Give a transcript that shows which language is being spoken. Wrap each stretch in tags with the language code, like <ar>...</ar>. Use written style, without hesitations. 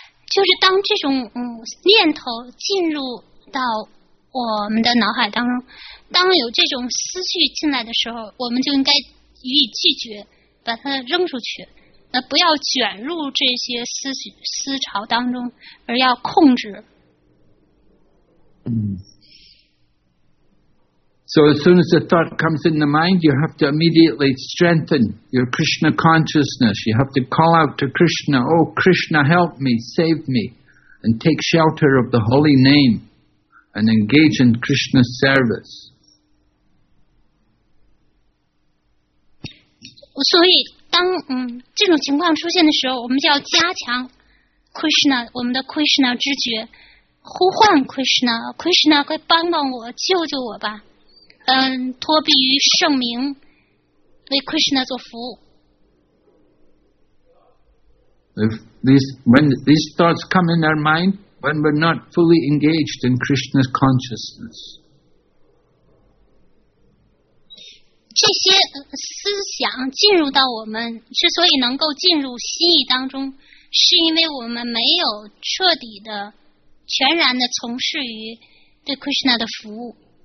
<zh>就是当这种念头进入到我们的脑海当中，当有这种思绪进来的时候，我们就应该予以拒绝，把它扔出去，不要卷入这些思潮当中，而要控制。</zh> <en>So as soon as the thought comes in the mind, you have to immediately strengthen your Krishna consciousness. You have to call out to Krishna, Oh Krishna, help me, save me, and take shelter of the holy name and engage in Krishna's service.</en> <zh>所以当这种情况出现的时候，我们就要加强 Krishna, 我们的 Krishna 知觉，呼唤 Krishna, Krishna, 快帮帮我，救救我吧。托庇于圣名，为 Krishna 做服务。</zh> <en>when these thoughts come in our mind, when we're not fully engaged in Krishna's consciousness.</en> <zh>这些思想进入到我们，之所以能够进入心意当中，是因为我们没有彻底的、全然的从事于对 Krishna 的服务。</zh>